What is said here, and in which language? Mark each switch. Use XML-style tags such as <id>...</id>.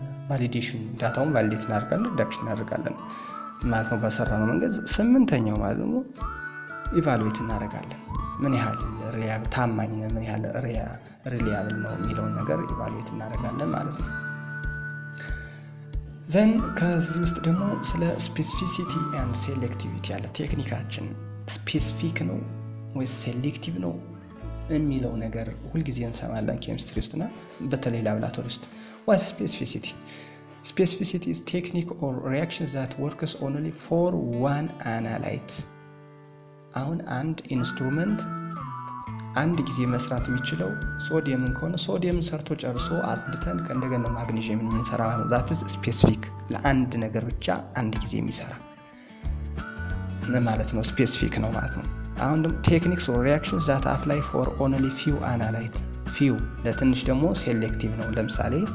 <am>ቫሊዴሽን ዳታውን ቫሊዴት እናደርጋለን ሪዳክሽን እናደርጋለን ማለት ነው በሰራ ነው መንገድ። ስምንተኛው ማለት ደግሞ ኢቫሉዌት እናደርጋለን ምን ያህል ሪያል ታማኝ ነን፣ ምን ያህል ሪያ ሪሊያብል ነው የሚለውን ነገር ኢቫሉዌት እናደርጋለን ማለት ነው። ዘን ከዚህ ውስጥ ደግሞ ስለ ስፔሲፊሲቲ ኤንድ ሴሌክቲቪቲ ያለ ቴክኒካችን ስፔሲፊክ ነው ወይስ ሴሌክቲቭ ነው የሚለው ነገር ሁልጊዜ እንሰማለን ኬሚስትሪ ውስጥና በተለይ ላብራቶሪ ውስጥ</am> <en>What's specificity? Specificity is technique or reaction that works only for one analyte.</en> <am>አሁን አንድ ኢንስትሩመንት አንድ ጊዜ መስራት የሚችለው ሶዲየምን ከሆነ ሶዲየምን ሰርቶ ጨርሶ አጽድተን ከእንደገና ማግኔዥየምን እንሰራ ማለት ነው። ስፔሲፊክ ለአንድ ነገር ብቻ አንድ ጊዜ የሚሰራ ነው ማለት ነው። ስፔሲፊክ ነው ማለት ነው። አሁን ደግሞ</am> <en>ቴክኒክስ ኦር ሪአክሽንስ ዛት አፕላይ ፎር ኦንሊ ፊው አናላይት</en> <am>ፊው ለትንሽ ደግሞ ሴሌክቲቭ ነው። ለምሳሌ</am>